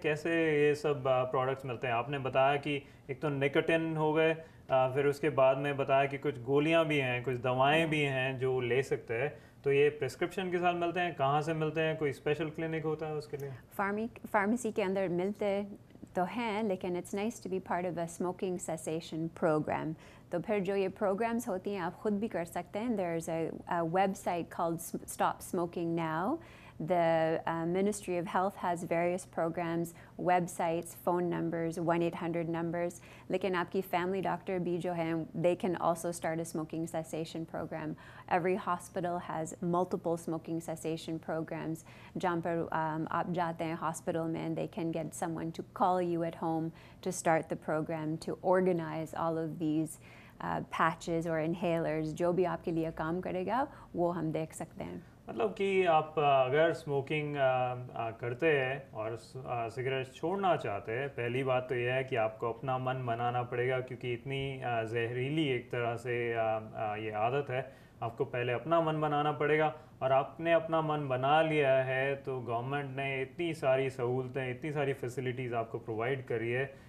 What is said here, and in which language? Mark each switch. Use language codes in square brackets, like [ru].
[hi] कैसे ये सब प्रोडक्ट्स मिलते हैं? आपने बताया कि एक तो निकोटिन हो गए, फिर उसके बाद में बताया कि कुछ गोलियां भी हैं, कुछ दवाएं भी हैं जो ले सकते हैं, तो ये प्रिस्क्रिप्शन के साथ मिलते हैं? कहाँ से मिलते हैं? कोई स्पेशल क्लिनिक होता है उसके लिए? फार्मेसी के अंदर मिलते तो हैं, लेकिन [en] It's nice to be part of a smoking cessation program. [hi] तो फिर जो ये प्रोग्राम्स होती हैं आप खुद भी कर सकते हैं. [en] There is a website called stop smoking now The Ministry of Health has various programs, websites, phone numbers, 1-800 numbers. [hi] Lekin aapki family doctor bhi jo hai, [en] they can also start a smoking cessation program. Every hospital has multiple smoking cessation programs. [hi] Jahan par aap jaate hain hospital mein, [en] they can get someone to call you at home to start the program, to organize all of these patches or inhalers. [hi] Jo bhi aapke liye kaam karega, wo hum dekh sakte hain. मतलब कि आप अगर smoking करते हैं और cigarette छोड़ना चाहते हैं, पहली बात तो यह है कि आपको अपना मन बनाना पड़ेगा, क्योंकि इतनी जहरीली एक तरह से ये आदत है. आपको पहले अपना मन बनाना पड़ेगा, और आपने अपना मन बना लिया है तो गवर्नमेंट ने इतनी सारी सहूलतें, इतनी सारी फैसिलिटीज़ आपको प्रोवाइड करी है.